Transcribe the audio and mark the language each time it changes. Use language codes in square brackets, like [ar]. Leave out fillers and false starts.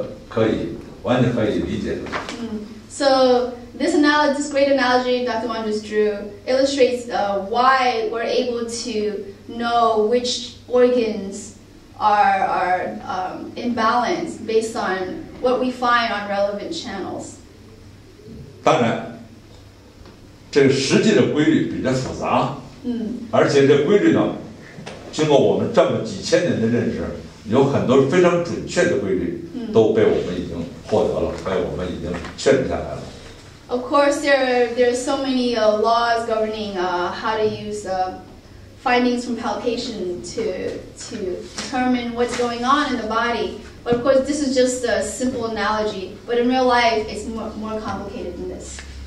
[zh] 我们可以判断它相关的内脏有了出了问题，或者哪一个内脏、哪一个脏出了问题，这是完全可以理解的。 [en] So this analogy, this great analogy Dr. Wang just drew, illustrates why we're able to know which organs are imbalanced based on what we find on relevant channels. [zh] 当然。这个实际的规律比较复杂，而且这规律呢，经过我们这么几千年的认识，有很多非常准确的规律都被我们已经获得了，被我们已经确认下来了。 [en] Of course, there are so many laws governing how to use findings from palpation to determine what's going on in the body. But of course, this is just a simple analogy. But in real life, it's more complicated than this.